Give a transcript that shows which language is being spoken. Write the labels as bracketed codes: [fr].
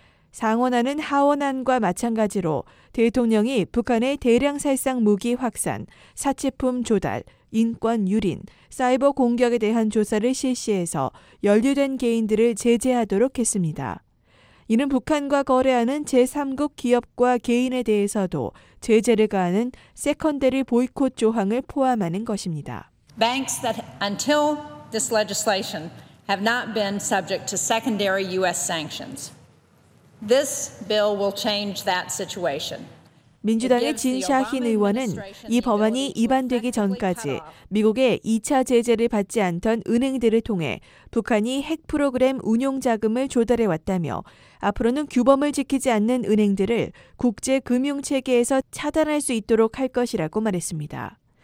[ko] 상원안은 하원안과 마찬가지로 대통령이 북한의 대량 살상 무기 확산, 사치품 조달, 인권 유린, 사이버 공격에 대한 조사를 실시해서 연루된 개인들을 제재하도록 했습니다. 이는 북한과 거래하는 제3국 기업과 개인에 대해서도 제재를 가하는 세컨더리 보이콧 조항을 포함하는 것입니다. [en] Banks that until this legislation have not been subject to secondary U.S. sanctions. This bill will change that situation. [ko] 민주당의 진 샤힌 의원은 이 법안이 위반되기 전까지 미국의 2차 제재를 받지 않던 은행들을 통해 북한이 핵 프로그램 운용 자금을 조달해 왔다며 앞으로는 규범을 지키지 않는 은행들을 국제 금융 체계에서 차단할 수 있도록 할 것이라고 말했습니다.